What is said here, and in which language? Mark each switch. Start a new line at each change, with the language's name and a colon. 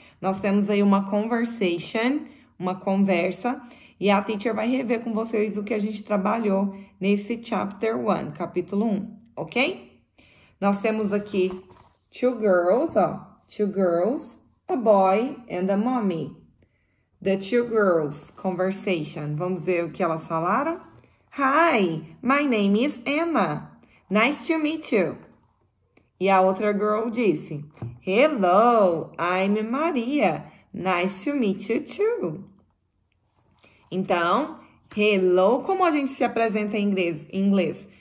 Portuguese: Nós temos aí uma conversation, uma conversa, e a teacher vai rever com vocês o que a gente trabalhou nesse chapter 1, capítulo 1, ok? Nós temos aqui
English: two girls,
Portuguese: ó.
English: Two girls. A boy and a mommy. The two girls conversation.
Portuguese: Vamos ver o que elas falaram.
English: Hi, my name is Emma. Nice to meet you.
Portuguese: E a outra girl disse:
English: Hello, I'm Maria. Nice to meet you too.
Portuguese: Então, hello, como a gente se apresenta em inglês?